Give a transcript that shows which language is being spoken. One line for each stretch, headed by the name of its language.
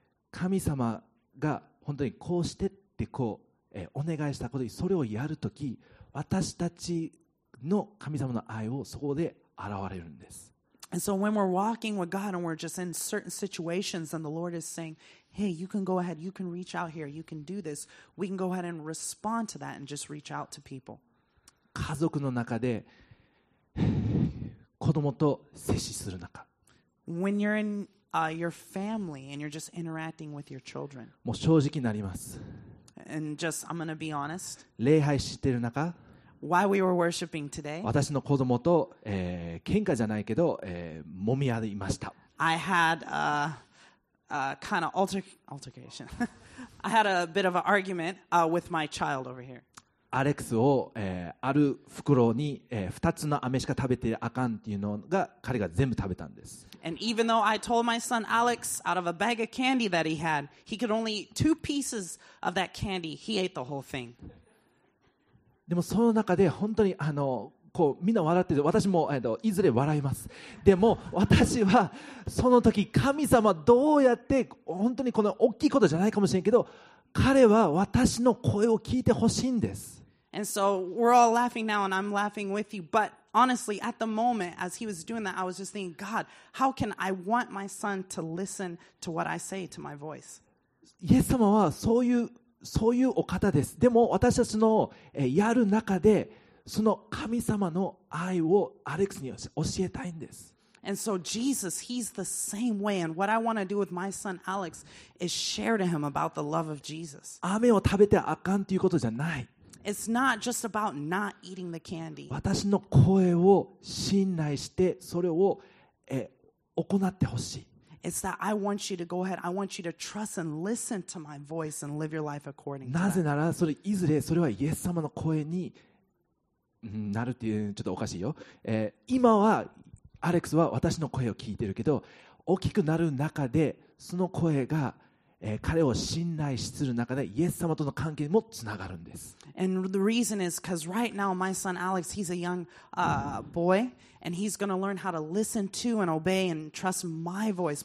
Japanese: 神様が本当にこうしてってこう。お願いしたことにそれをやるとき私たちの神様の愛をそこで現れるんです。
English: And so when we're walking with God and we're just in certain situations and the Lord is saying, hey, you can go ahead, you can reach out here, you can do this, we can go ahead and respond to that and just reach out to people.
Japanese: 家族の中で子供と接しする中。
English: When you're in your family and you're just interacting with your children.
Japanese: もう正直になります。
English: And just, I'm gonna be honest.
Japanese: 礼拝してる中、
English: Why we were worshiping today?
Japanese: 私の子供と、喧嘩じゃないけど、揉み合いました。
English: I had a kind of altercation. I had a bit of an argument with my child over here.
Japanese: アレックスを、ある袋に、2つの飴しか食べてあかんっていうのが彼が全部食べたんです。
English: And even though I told my son Alex out of a bag of candy that he had, he could only eat two pieces of that candy. He ate the whole thing.
Japanese: でもその中で本当にこうみんな笑ってて私もいずれ笑います。でも私はその時神様どうやって本当にこの大きいことじゃないかもしれんけど彼は私の声を聞いてほしいんです。
English: And so we're all laughing now and I'm laughing with you, but honestly, at the moment, as he was doing that, I was just thinking, God, how can I want my son to listen to what I say to my voice?
Japanese: イエス様はそういうお方です。でも私たちのやる中で、その神様の愛をアレックスに教えたいんです。
English: And so Jesus, he's the same way. And what I want to do with my son Alex is share to him about the love of Jesus.
Japanese: 飴を食べてあかんということじゃない。
English: It's not just about not eating the candy.
Japanese: 私の声を信頼してそれを行ってほしい。
English: It's that I want you to go ahead. I want you to trust and listen to my voice and live your life according to
Japanese: that. なぜならそれいずれそれはイエス様の声になるっていうちょっとおかしいよ。今はアレックスは私の声を聞いてるけど大きくなる中でその声が彼を信頼する中でイエス様との関係もつながるんです。
English: And the reason is because right now my son Alex, he's a young boy, and he's going to learn how to listen to and obey and trust my voice.